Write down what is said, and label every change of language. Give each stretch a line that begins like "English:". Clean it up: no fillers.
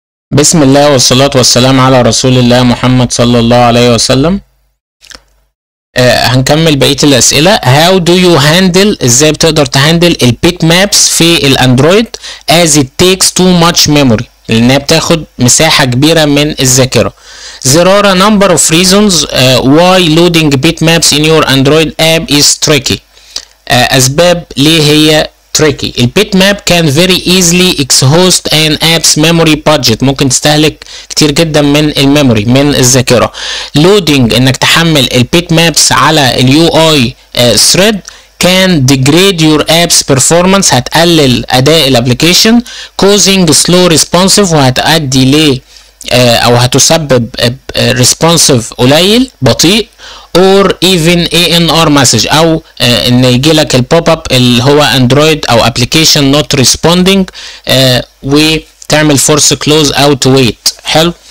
Arabic: بسم الله والصلاة والسلام على رسول الله محمد صلى الله عليه وسلم. هنكمل بقية الأسئلة.
English: How do you handle،
Arabic: إزاي بتقدر تهندل البيك مابس في الأندرويد
English: as it takes too much memory،
Arabic: لأنها بتاخد مساحة كبيرة من الذاكرة.
English: There are a number of reasons why loading bit maps in your Android app is tricky.
Arabic: أسباب ليه هي tricky.
English: The bitmap can very easily exhaust an app's memory budget.
Arabic: ممكن تستهلك كتير جدا من الميموري، من الذاكرة.
English: Loading،
Arabic: انك تحمل البيتمابس على ال
English: UI thread can degrade your app's performance.
Arabic: هتقلل اداء الابليكيشن،
English: causing slow responsive،
Arabic: وهتؤدي ل او هتسبب responsive قليل بطيء،
English: or even ANR message،
Arabic: او ان يجي لك البوب اب اللي هو اندرويد او ابلكيشن نوت ريسبوندنج وتعمل فورس كلوز او تو ويت. حلو.